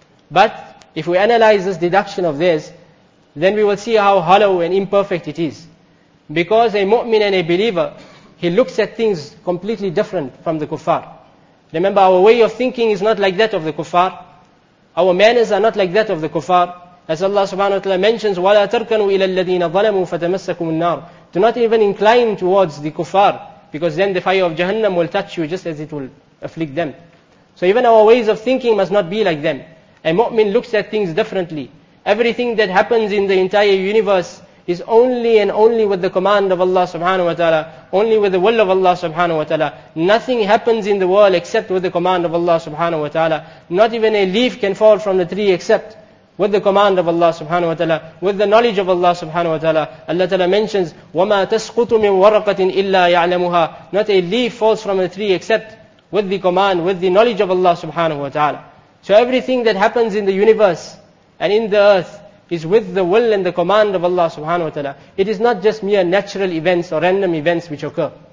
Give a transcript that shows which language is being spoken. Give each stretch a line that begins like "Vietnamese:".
English: But if we analyze this deduction of theirs, then we will see how hollow and imperfect it is. Because a mu'min and a believer, he looks at things completely different from the kuffar. Remember, our way of thinking is not like that of the kuffar. Our manners are not like that of the kuffar. As Allah subhanahu wa ta'ala mentions,
Arabic: وَلَا تَرْكَنُوا إِلَى الَّذِينَ ظَلَمُوا فَتَمَسَّكُمُ النَّارُ.
English: Do not even incline towards the kuffar, because then the fire of Jahannam will touch you just as it will afflict them. So even our ways of thinking must not be like them. A mu'min looks at things differently. Everything that happens in the entire universe is only and only with the command of Allah subhanahu wa ta'ala, only with the will of Allah subhanahu wa ta'ala. Nothing happens in the world except with the command of Allah subhanahu wa ta'ala. Not even a leaf can fall from the tree except with the command of Allah subhanahu wa ta'ala, with the knowledge of Allah subhanahu wa ta'ala. Allah ta'ala mentions,
Arabic: وَمَا تَسْقُطُ مِن وَرَقَةٍ إِلَّا يَعْلَمُهَا.
English: Not a leaf falls from a tree except with the command, with the knowledge of Allah subhanahu wa ta'ala. So everything that happens in the universe and in the earth is with the will and the command of Allah subhanahu wa ta'ala. It is not just mere natural events or random events which occur.